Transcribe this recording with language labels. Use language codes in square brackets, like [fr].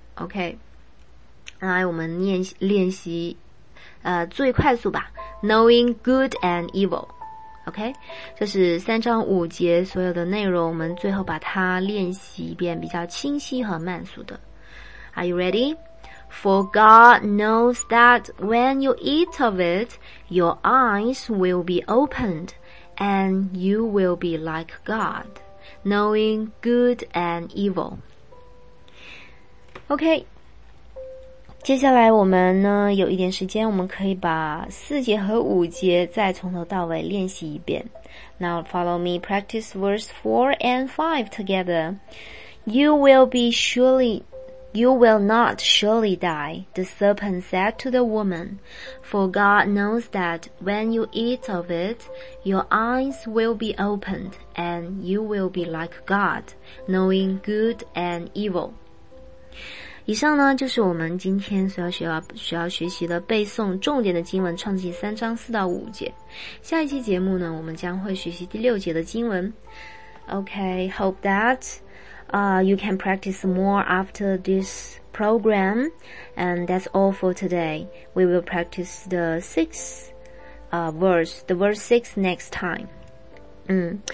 [zh] OK， 来我们练习最快速吧， [en] knowing good and evil。 [zh] OK， 这是三章五节所有的内容，我们最后把它练习一遍，比较清晰和慢速的。 [en] Are you ready? For God knows that when you eat of it, your eyes will be opened, and you will be like God, knowing good and evil. [zh] OK，接下来我们呢有一点时间，我们可以把四节和五节再从头到尾练习一遍。 [en] Now follow me, practice verse 4 and 5 together. You will be surely You will not surely die, the serpent said to the woman, for God knows that when you eat of it, your eyes will be opened, and you will be like God, knowing good and evil. [zh] 以上呢就是我们今天所要学习的背诵重点的经文，创世纪三章四到五节。下一期节目呢，我们将会学习第六节的经文。 [en] Okay, hope that you can practice more after this program. And that's all for today. We will practice the verse six next time.